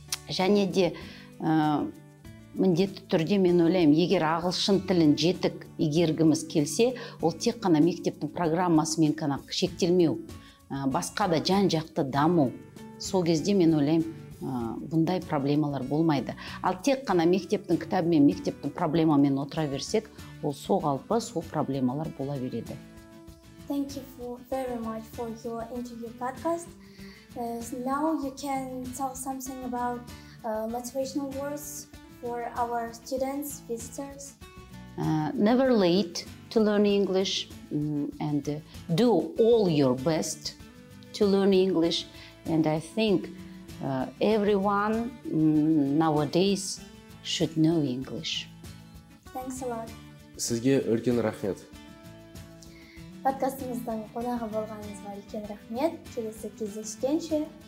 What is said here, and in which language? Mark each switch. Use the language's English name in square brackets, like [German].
[Kazakh] Және де міндетті түрде, мен ойлаймын, егер ағылшын тілін жетік игергіміз келсе, ол тек қана мектептің программасымен ғана шектелмеу, басқа да жан жақты даму. Сол кезде, мен ойлаймын, бұндай проблемалар болмайды. Ал тек қана мектептің кітабымен, мектептің проблемамен отыра берсек, ол сол қалпы, сол проблемалар бола береді. [English] Thank you very much for your interview podcast. Now you can tell something about motivational words for our students, visitors. never late to learn English and do all your best to learn English. And I think everyone nowadays should know English. Thanks a lot. [Kazakh] Сізге үлкен рахмет. Подкастымыздың қонағы болғаныңызға үлкен рахмет. Келесі кездескенше.